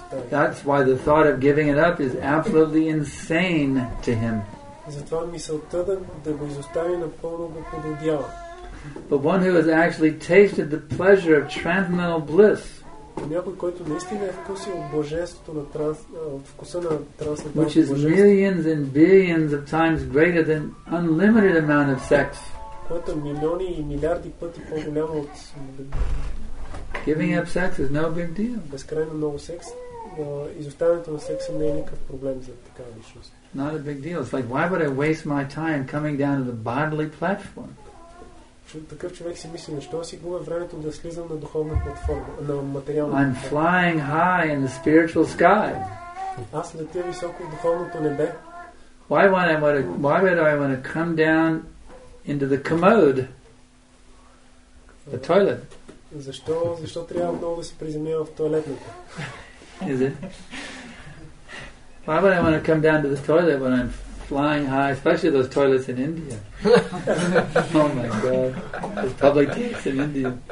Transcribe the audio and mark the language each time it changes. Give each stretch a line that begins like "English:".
English: That's why the thought of giving it up is absolutely insane to him.
Bulgarian: Затова мисълта да го изостави напълно го подудява.
English: But one who has actually tasted the pleasure of transcendental bliss.
Bulgarian: Някой, който наистина е вкусил божеството на вкуса на трансцендентално.
English: Which is millions and billions of times greater than unlimited amount of sex.
Bulgarian: което е милиони и милиарди пъти по-голямо от...
English: Giving up sex is no big deal.
Bulgarian: Безкрайно много секс. Изоставянето на секса не е никакъв проблем за такава личност.
English: Not a big deal. It's like, why would I waste my time coming down to the bodily platform?
Bulgarian: Такъв човек си мисли, защо си губя времето да слизам на духовна платформа, на материална платформа.
English: I'm flying high in the spiritual sky.
Bulgarian: Аз летя високо в духовното небе.
English: Why would I want to come down into the commode? The toilet.
Bulgarian: Защо трябва много да се приземявам в тоалетната?
English: Is it? Why would I want to come down to the toilet when I'm flying high, especially those toilets in India? Oh my God. Those public toilets in India.